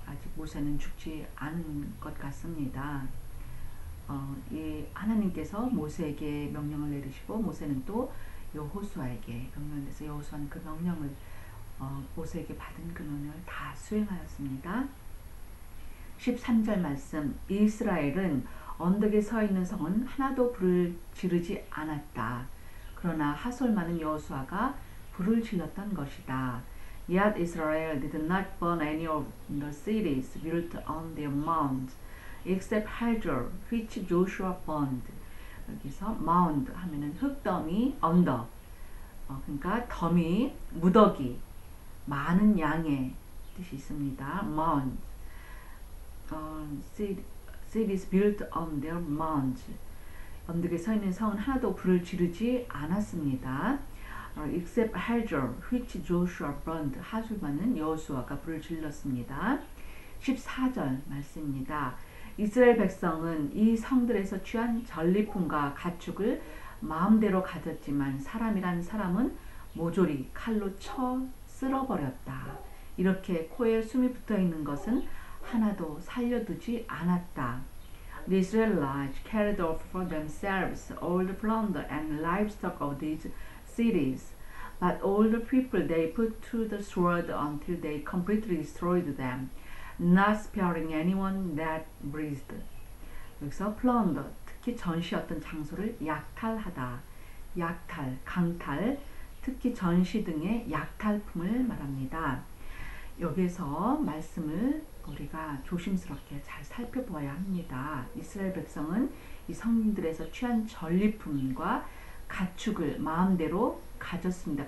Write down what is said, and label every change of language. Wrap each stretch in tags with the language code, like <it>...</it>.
<ko>아직 모세는 죽지 않은 것 같습니다. 이 하나님께서 모세에게 명령을 내리시고 모세는 또 여호수아에게 명령을 내서 여호수아는 그 명령을 모세에게 받은 그 명령을 다 수행하였습니다. 13절 말씀 이스라엘은 언덕에 서 있는 성은 하나도 불을 지르지 않았다. 그러나 하솔 많은 여호수아가 불을 질렀던 것이다.</ko> <en>Yet Israel did not burn any of the cities built on their mounds, except Hazor, which Joshua burned.</en> <ko>여기서 mound 하면은 흙더미, 언덕. 그러니까 더미, 무더기, 많은 양의 뜻이 있습니다.</ko> <en>Mound. Cities built on their mounds.</en> <ko>언덕에 서 있는 성은 하나도 불을 지르지 않았습니다.</ko> <en>Except Hazor, which Joshua burned.</en> <ko>하솔만은 여호수아가 불을 질렀습니다. 14절 말씀입니다. 이스라엘 백성은 이 성들에서 취한 전리품과 가축을 마음대로 가졌지만 사람이란 사람은 모조리 칼로 쳐 쓸어버렸다. 이렇게 코에 숨이 붙어있는 것은 하나도 살려두지 않았다.</ko> <en>These Israelites carried off for themselves all the plunder and livestock of these cities, but all the people they put to the sword until they completely destroyed them, not sparing anyone that breathed.</en> <ko>여기서 plunder, 특히 전시였던 장소를 약탈하다. 약탈, 강탈, 특히 전시 등의 약탈품을 말합니다. 여기서 말씀을 우리가 조심스럽게 잘 살펴봐야 합니다. 이스라엘 백성은 이 성들에서 취한 전리품과 가축을 마음대로 가졌습니다.</ko>